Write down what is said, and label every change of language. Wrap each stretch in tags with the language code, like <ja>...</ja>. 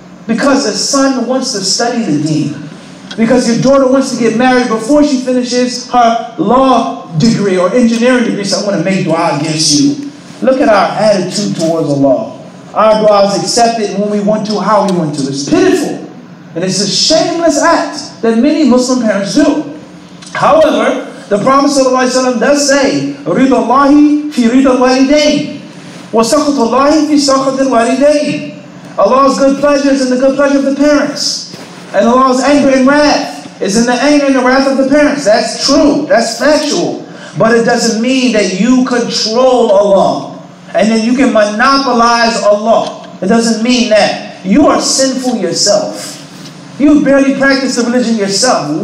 <en>Because the son wants to study the deen. Because your daughter wants to get married before she finishes her law degree or engineering degree. So I'm going to make dua against you. Look at our attitude towards Allah. Our dua is accepted when we want to, how we want to. It's pitiful. And it's a shameless act that many Muslim parents do. However, the Prophet ﷺ does say,</en> <ar>رِضَ اللَّهِ فِي رِضَ الْوَالِدَيْنِ وَسَخَطُ اللَّهِ فِي سَخَطِ الْوَالِدَيْنِ.</ar> <en>Allah's good pleasure is in the good pleasure of the parents. And Allah's anger and wrath is in the anger and the wrath of the parents. That's true. That's factual. But it doesn't mean that you control Allah and that you can monopolize Allah. It doesn't mean that. You are sinful yourself. You barely practice the religion yourself.</en>